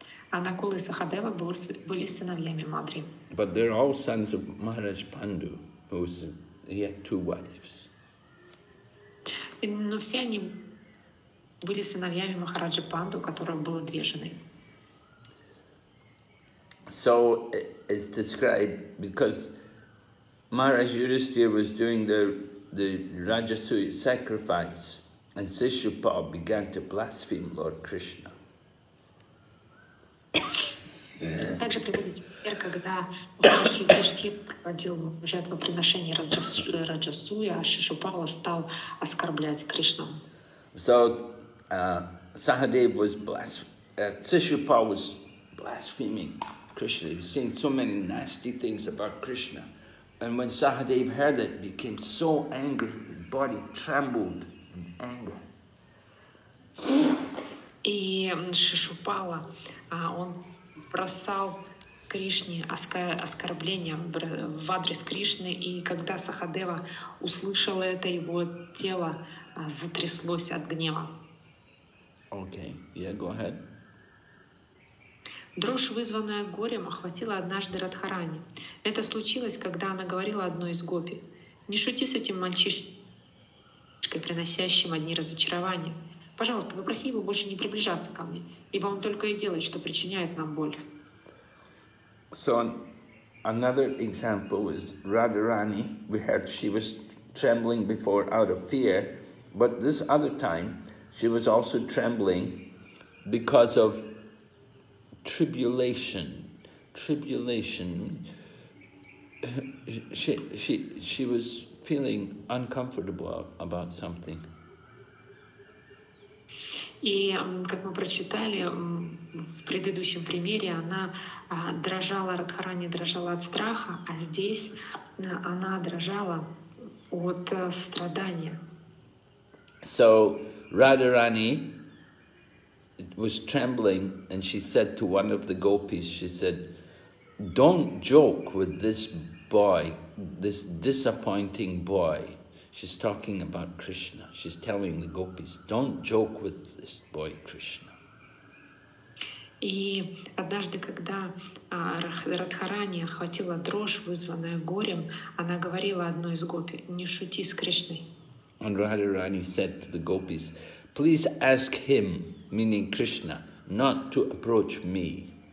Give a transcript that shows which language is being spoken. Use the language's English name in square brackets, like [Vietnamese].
[Russian] А Накула и Сахадева были сыновьями Мадри. [English] But they're all sons of Maharaj Pandu, who's he had two wives. [Russian] Но все они были сыновьями Махараджи Панду, у которого было две жены. [English] So it's described because Maharaj Yudhisthira was doing the Rajasuya sacrifice and Sishupal began to blaspheme Lord Krishna. [Russian] Также приводится пример, когда Махараджи Юдхиштхира проводил жертвоприношение Раджасуя, а Шишупала стал оскорблять Кришну. [English] So, Сахадев was Шишупал was blaspheming Krishna. He was saying so many nasty things about Krishna. And when Сахадев heard it, he became so angry, his body trembled in anger. [Russian] И Шишупала, он бросал Кришне оскорбления в адрес Кришны, и когда Сахадева услышал это, его тело затряслось от гнева. [English] Okay. Yeah, go ahead. [Russian] Дрожь, вызванная горем, охватила однажды Радхарани. Это случилось, когда она говорила одной из гопи: «Не шути с этим мальчишкой, приносящим одни разочарования. Пожалуйста, попроси его больше не приближаться ко мне, ибо он только и делает, что причиняет нам боль». [English] So another example is Radharani. We heard she was trembling before out of fear, but this other time she was also trembling because of tribulation. Tribulation. She was feeling uncomfortable about something. [Russian] И, как мы прочитали в предыдущем примере, она дрожала, Радхарани дрожала от страха, а здесь она дрожала от страдания. [English] So Radharani was trembling and she said to one of the gopis, she said, "Don't joke with this boy, this disappointing boy." She's talking about Krishna. She's telling the gopis, "Don't joke with this boy, Krishna." [Russian] И однажды, когда Радхарани охватила дрожь, вызванная горем, она говорила одной из гопи: "Не шути с Кришной." [English] And Radharani said to the gopis, "Please ask him, meaning Krishna, not to approach me."